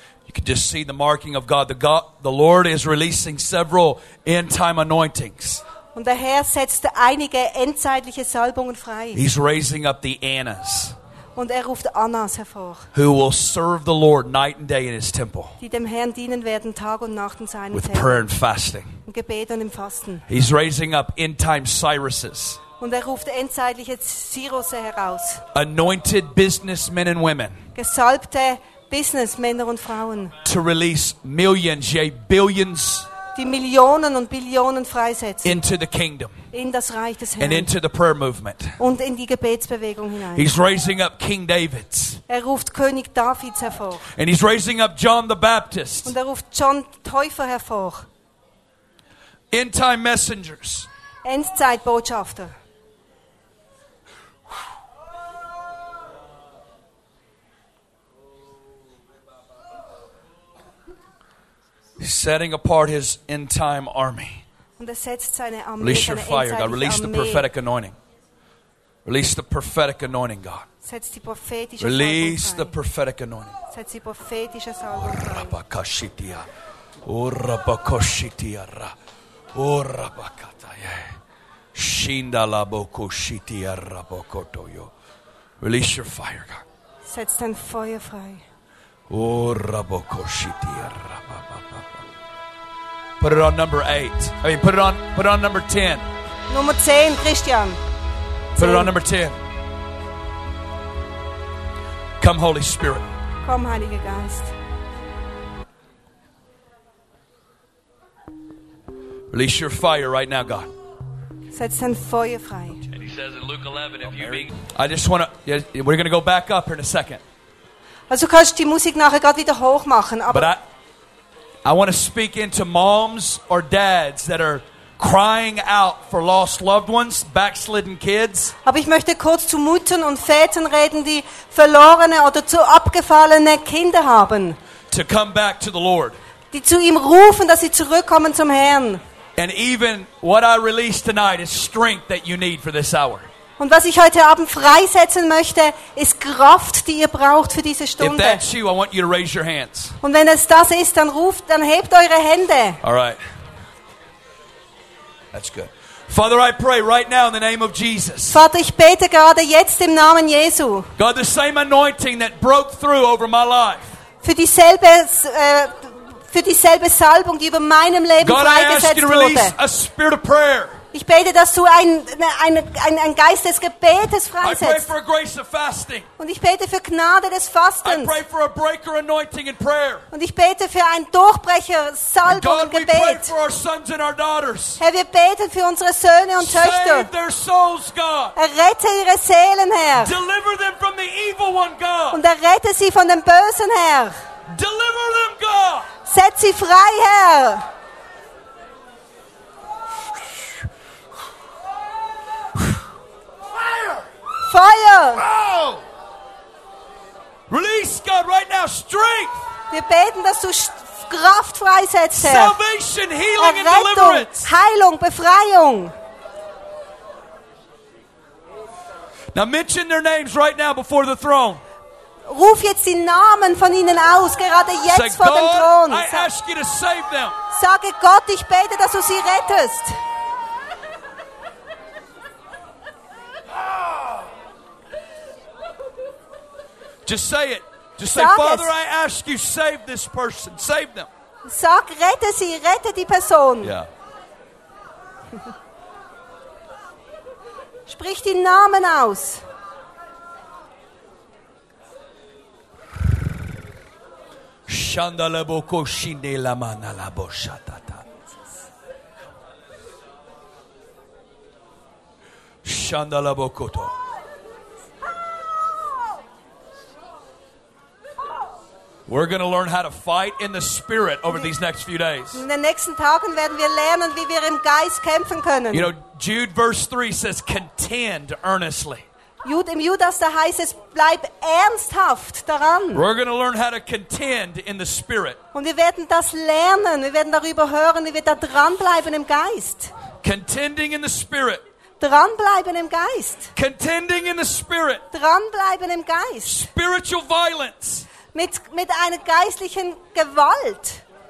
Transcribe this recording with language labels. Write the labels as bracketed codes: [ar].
[en] You can just see the marking of God. The Lord is releasing several end-time anointings. [de] Und der Herr setzt einige endzeitliche Salbungen frei. [en] He's raising up the Annas. [de] Und er ruft Annas hervor. [en] Who will serve the Lord night and day in his temple. [de] Die dem Herrn dienen werden Tag und Nacht in seinem Tempel. [en] With prayer and fasting. [de] Im Gebet und im Fasten. [en] He's raising up end time Cyruses. [de] Und er ruft endzeitliche Cyrusse heraus. [en] Anointed businessmen and women. [de] Gesalbte Businessmänner und Frauen. [en] To release millions, yea billions. [de] Die Millionen und Billionen freisetzen. [en] Into the kingdom. [de] In das Reich des Herrn. [en] And into the prayer movement. [de] Und in die Gebetsbewegung hinein. [en] He's raising up King David's. [de] Er ruft König Davids hervor. [en] And he's raising up John the Baptist. [de] Und er ruft John Täufer hervor. [en] End time messengers. [de] Endzeitbotschafter. [en] He's setting apart his end time army. [de] Und er setzt seine Armee. [en] Release your fire, God. Release the prophetic anointing. Release the prophetic anointing, God. [de] Setz die prophetische [en] Release the prophetic anointing. [de] Setz die prophetische Salbung frei. Urabakashitia. Urabakashitia. Urabakataye. Shindalabokoshitia rabokotoyo. [en] Release your fire, God. [de] Setz dein Feuer frei. Urabakashitia. [en] Put it on number 8. Put it on number 10. [de] Nummer 10, Christian. [en] Put it on number 10. Come, Holy Spirit. [de] Komm, Heiliger Geist. [en] Release your fire right now, God. [de] Setz dein Feuer frei. [en] And he says in Luke 11, if you be... I just want to... Yeah, we're going to go back up here in a second. [de] Also kannst du die Musik nachher gerade wieder hoch machen, aber... [en] I want to speak into moms or dads that are crying out for lost loved ones, backslidden kids. [de] Aber ich möchte kurz zu Müttern und Vätern reden, die verlorene oder zu abgefallene Kinder haben. [en] To come back to the Lord. [de] Die zu ihm rufen, dass sie zurückkommen zum Herrn. [en] And even what I release tonight is strength that you need for this hour. [de] Und was ich heute Abend freisetzen möchte, ist Kraft, die ihr braucht für diese Stunde. [en] If that's you, I want you to raise your hands. [de] Und wenn es das ist, dann ruft, dann hebt eure Hände. [en] All right. That's good. Father, I pray right now in the name of Jesus. [de] Vater, ich bete gerade jetzt im Namen Jesu. [en] God, the same anointing that broke through over my life. [de] Für dieselbe Salbung, die über meinem Leben [en] God, [de] freigesetzt wurde. [en] God, I ask you to release a spirit of prayer. [de] Ich bete, dass du ein Geist des Gebetes freisetzt. Und ich bete für Gnade des Fastens. [en] I pray for a breaker anointing in prayer. [de] Und ich bete für ein Durchbrecher Salbung im Gebet. [en] We pray for our sons and our daughters. [de] Herr, wir beten für unsere Söhne und Töchter. [en] Save their souls, God. [de] Errette ihre Seelen, Herr. [en] Deliver them from the evil one, God. [de] Und errette sie von dem Bösen, Herr. [en] Deliver them, God. [de] Setz sie frei, Herr. [en] Fire! Release God right now, strength. [de] Wir beten, dass du Kraft freisetzt. [en] Salvation, healing, [de] Errettung, [en] and deliverance. [de] Heilung, Befreiung. [en] Now mention their names right now before the throne. [de] Ruf jetzt die Namen von ihnen aus, gerade jetzt [en] Say, [de] vor dem Thron. [en] I ask you to save them. [de] Sage Gott, ich bete, dass du sie rettest. [en] Just say it. Just say, Father, I ask you, save this person. Save them. [de] Sag, rette sie, rette die Person. [en] Yeah. [de] Sprich die Namen aus. Shandalaboko shinde lamana laboshatata. Shandala Bokoto. [en] We're going to learn how to fight in the spirit over these next few days. [de] In den nächsten Tagen werden wir lernen, wie wir im Geist kämpfen können. [en] You know, Jude verse 3 says, contend earnestly. [de] Jude, im Judas, da heißt es, bleib ernsthaft daran. [en] We're going to learn how to contend in the spirit. [de] Und wir werden das lernen. Wir werden darüber hören, wie wir da dranbleiben im Geist. [en] Contending in the spirit. [de] Dranbleiben im Geist. [en] Contending in the spirit. [de] Dranbleiben im Geist. [en] Spiritual violence. [de] Mit einer geistlichen Gewalt.